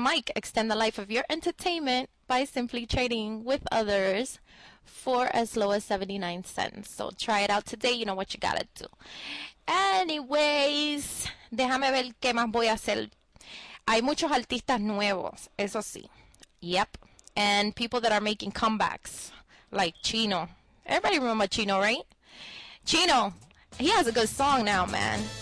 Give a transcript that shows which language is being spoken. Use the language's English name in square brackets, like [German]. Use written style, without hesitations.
[English] Mike, extend the life of your entertainment by simply trading with others for as low as 79 cents. So, try it out today. You know what you gotta do. [Spanish] Anyways, déjame ver qué más voy a hacer. Hay muchos artistas nuevos, eso sí. [English] Yep. And people that are making comebacks, like Chino. Everybody remember Chino, right? Chino, he has a good song now, man.